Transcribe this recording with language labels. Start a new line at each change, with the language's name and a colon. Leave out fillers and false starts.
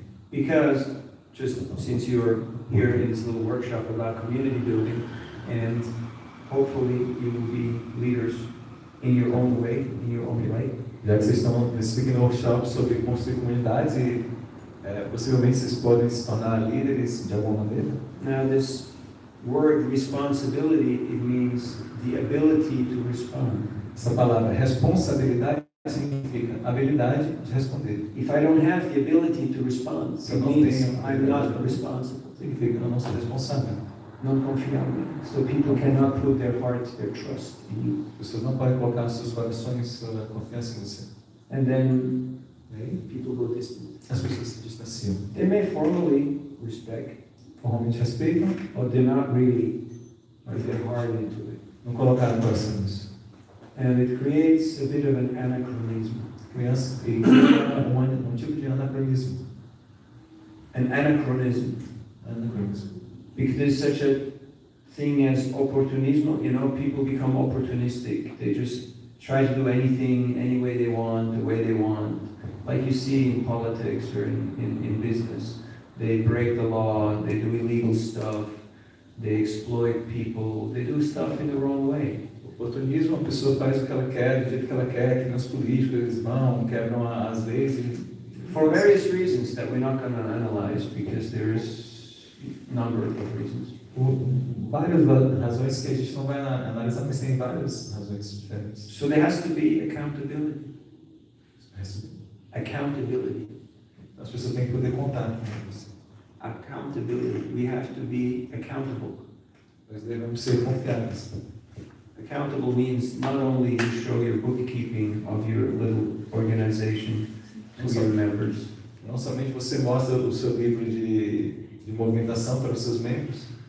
English: Because, just since you're here in this little workshop about community building, and hopefully you will be leaders in your own way, in your own way.
Portuguese: Já que vocês estão nesse workshop sobre construir comunidades, e possivelmente vocês podem se tornar líderes de alguma maneira.
English: Now this word responsibility, it means the ability to respond.
Portuguese: Essa palavra responsabilidade significa habilidade de responder.
English: If I don't have the ability to respond,
Portuguese: se eu não tenho,
English: I'm not responsible.
Portuguese: Significa eu não sou responsável. Não confiar em mim.
English: So people cannot put their heart, their trust in you.
Portuguese: Pessoas não podem colocar seus corações, sua confiança em você.
English: And then, okay, people go distant.
Portuguese: As pessoas se distanciam.
English: They may formally respect,
Portuguese: formalmente respeitam,
English: but they're not really, but they're hard into it.
Portuguese: Não colocaram coração nisso.
English: And it creates a bit of an anachronism.
Portuguese: Um tipo de anacronismo.
English: An anachronism. Anachronism. Because there's such a thing as opportunismo, you know, people become opportunistic. They just try to do anything, any way they want, the way they want. Like you see in politics or in business. They break the law, they do illegal stuff, they exploit people, they do stuff in the wrong way.
Portuguese: Oportunismo, a pessoa faz o que ela quer, do jeito que ela quer, que nas políticas eles vão, quebram as leis.
English: For various reasons that we're not going to analyze, because there is a number of reasons.
Portuguese: Várias razões que a gente não vai analisar, mas tem várias razões diferentes.
English: So there has to be accountability. Accountability.
Portuguese: As pessoas têm que poder contar com você.
English: Accountability. We have to be accountable.
Portuguese: Nós devemos ser confiáveis.
English: Accountable means not only you show your bookkeeping of your little organization to your members.
Portuguese: Não somente você mostra o seu livro de movimentação para os seus membros.